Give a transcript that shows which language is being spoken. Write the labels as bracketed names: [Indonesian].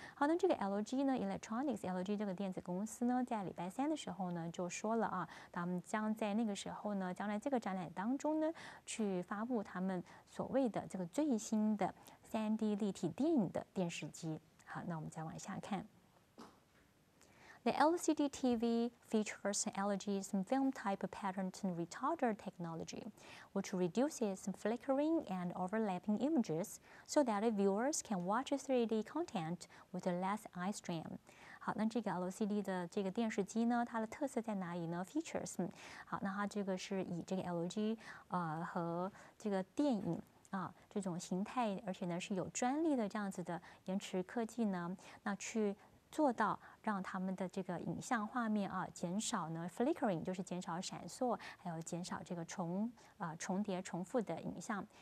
[Chinese] 好，那这个 LG 呢 Electronics LG 这个电子公司呢在礼拜三的时候呢就说了啊，他们将在那个时候呢将来这个展览当中呢去发布他们所谓的这个最新的 3D 立体电影的电视机。好，那我们再往下看。 [English] The LCD TV features LG's film-type pattern retarder technology, which reduces flickering and overlapping images so that viewers can watch 3D content with less eye strain. [Chinese] 好，那这个 LCD 的这个电视机呢，它的特色在哪里呢 ？Features， 好，那它这个是以这个 LG 和这个电影啊，这种形态，而且呢是有专利的这样子的延迟科技呢，那去做到让他们的这个影像画面啊减少呢 flickering， 就是减少闪烁，还有减少这个重叠重复的影像。